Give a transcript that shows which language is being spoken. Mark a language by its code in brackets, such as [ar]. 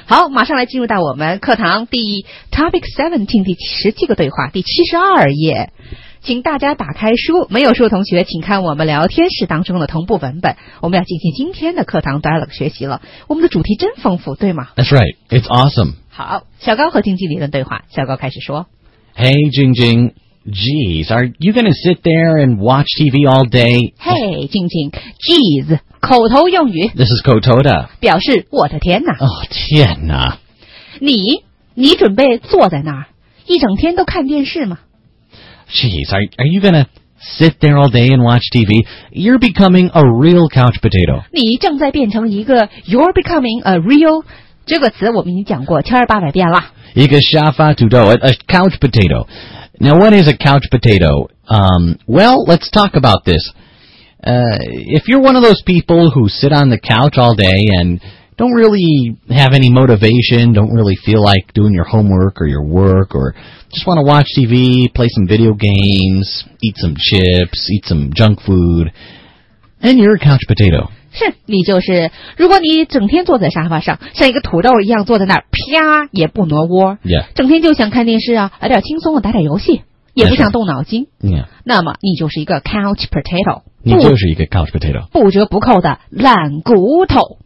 [zh] 好马上来进入到我们课堂第 Topic 17第17个对话第72页请大家打开书没有书的同学请看我们聊天室当中的同步文本我们要进行今天的课堂 dialogue 学习了我们的主题真丰富对吗 [en] That's right It's awesome [zh] 好小高和晶晶理论对话小高开始说 [en] Hey 晶晶Geez, are you going to sit there and watch TV all day? [zh] Hey, 静静 geez, 口头用语。 [en] This is [zh] 口头的。表示我的天哪。哦、oh, 天哪。你准备坐在那儿一整天都看电视吗 [en] Geez, are you going to sit there all day and watch TV? You're becoming a real couch potato. [zh] 你正在变成一个 [en] you're becoming a real, [zh] 这个词我们已经讲过1800遍了。一个沙发土豆 [en] a couch potato. Now, what is a couch potato? Well, let's talk about this. If you're one of those people who sit on the couch all day and don't really have any motivation, don't really feel like doing your homework or your work, or just want to watch TV, play some video games, eat some chips, eat some junk food, And you're a couch potato. [zh] 是，你就是。如果你整天坐在沙发上，像一个土豆一样坐在那儿，啪也不挪窝。 [en] Yeah. [zh] 整天就想看电视啊，来点轻松的，打点游戏，也不想动脑筋。 [en] Yeah. [zh] 那么你就是一个 couch potato。你就是一个 couch potato。不折不扣的懒骨头。